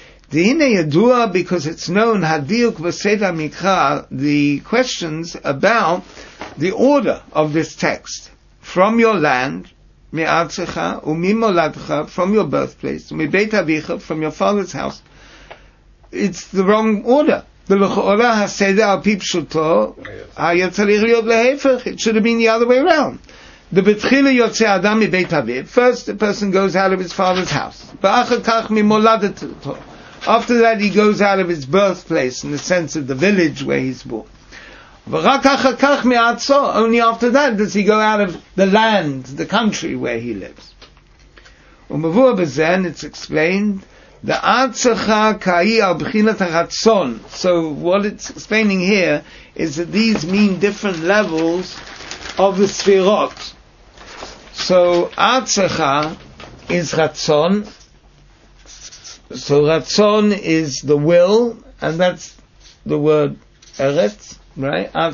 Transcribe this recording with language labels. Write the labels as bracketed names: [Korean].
[Hebrew] דהנה ידוע, [English] because it's known, [Hebrew] הדיוק בסדר המקרא, [English] the questions about the order of this text. From your land, [Hebrew] מארצך וממולדך, [English] from your birthplace, [Hebrew] מבית אביך, [English] from your father's house. It's the wrong order. [Hebrew] ולכאורה הסדר על פי פשוטו היה צריך להיות להפך. [English] It should have been the other way around. [Hebrew] דבתחילה יוצא אדם מבית אביו. [English] First the person goes out of his father's house. [Hebrew] ואחר כך ממולדתו. [English] After that he goes out of his birthplace in the sense of the village where he's born. [Hebrew] ורק אחר כך מארצו, [English] only after that does he go out of the land, the country where he lives. [Hebrew] ומבואה בזה, [English] and it's explained, [Hebrew] דארצך כאי על בחינת הרצון. [English] So what it's explaining here is that these mean different levels of the ספירות. So ארצך is רצון. So רצון is the will, and that's the word ארץ. Right?